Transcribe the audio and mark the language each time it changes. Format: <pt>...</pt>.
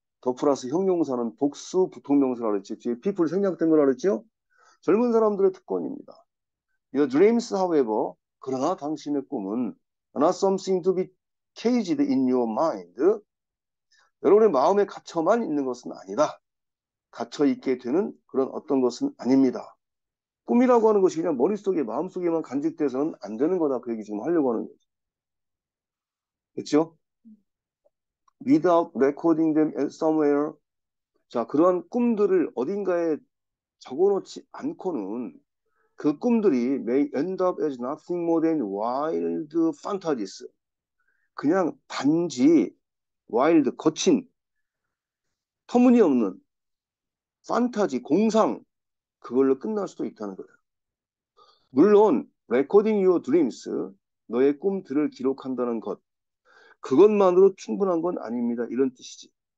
<ko>더 플러스 형용사는 복수 부통명사라 그랬지. 뒤에 people 생략된 거라 그랬지요. 젊은 사람들의 특권입니다.</ko> <en>Your dreams, however,</en> <ko>그러나 당신의 꿈은</ko> <en>not something to be caged in your mind.</en> <ko>여러분의 마음에 갇혀만 있는 것은 아니다. 갇혀 있게 되는 그런 어떤 것은 아닙니다. 꿈이라고 하는 것이 그냥 머릿속에, 마음속에만 간직돼서는 안 되는 거다. 그 얘기 지금 하려고 하는 거죠. 그렇죠?</ko> <en>Without recording them somewhere.</en> <ko>자, 그런 꿈들을 어딘가에 적어놓지 않고는 그 꿈들이</ko> <en>may end up as nothing more than wild fantasies.</en> <ko>그냥 단지 wild, 거친, 터무니없는 판타지, 공상, 그걸로 끝날 수도 있다는 거예요. 물론,</ko> <en>recording your dreams,</en> <ko>너의 꿈들을 기록한다는 것, 그것만으로 충분한 건 아닙니다. 이런 뜻이지.</ko>